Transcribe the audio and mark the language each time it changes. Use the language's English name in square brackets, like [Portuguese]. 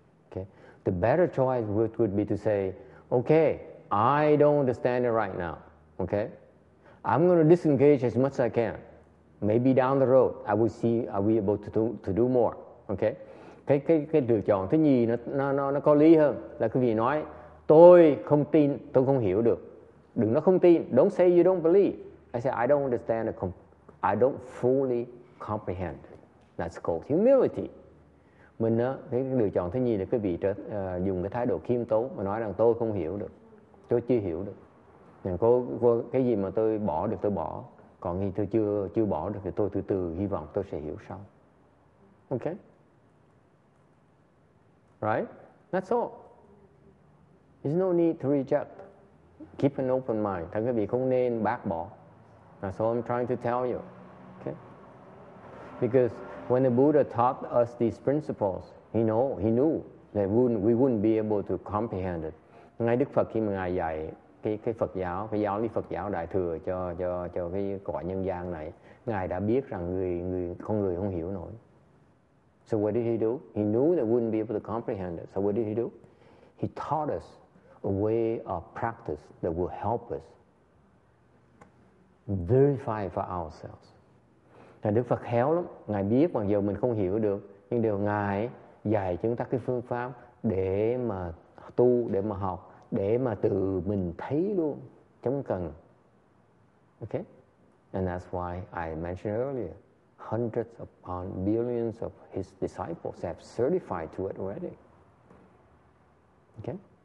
[English] Okay, the better choice would be to say, okay, I don't understand it right now. Okay, I'm going to disengage as much as I can. Maybe down the road, I will see. Are we able to do more? [Vietnamese] Okay, cái lựa chọn thứ nhì nó có lý hơn là quý vị nói, tôi không tin, tôi không hiểu được. Đừng nói không tin. [English] Don't say you don't believe. I say I don't understand it. I don't fully comprehend. That's called humility. [Vietnamese] Mình á, cái lựa chọn thứ nhì là quý vị dùng cái thái độ khiêm tốn mà nói rằng tôi không hiểu được, tôi chưa hiểu được. Cô cái gì mà tôi bỏ được tôi bỏ, còn khi tôi chưa bỏ được thì tôi từ hy vọng tôi sẽ hiểu sau. [English] Okay. Right. That's all. There's no need to reject. Keep an open mind. [Vietnamese] Thưa quý vị không nên bác bỏ. [English] That's all I'm trying to tell you. Because when the Buddha taught us these principles, he knew that we wouldn't be able to comprehend it. [Vietnamese] Ngài Đức Phật khi mà ngài dạy cái Phật giáo, cái giáo lý Phật giáo đại thừa cho cái cõi nhân gian này, ngài đã biết rằng con người không hiểu nổi. [English] So what did he do? He knew that we wouldn't be able to comprehend it. So what did he do? He taught us a way of practice that will help us verify for ourselves. [Vietnamese] Ngài Đức Phật khéo lắm, ngài biết mặc dù mình không hiểu được, nhưng điều ngài dạy chúng ta cái phương pháp để mà tu, để mà học, để mà tự mình thấy luôn, chẳng cần. [English] Okay? And that's why I mentioned earlier, hundreds upon billions of his disciples have certified to it already. Okay?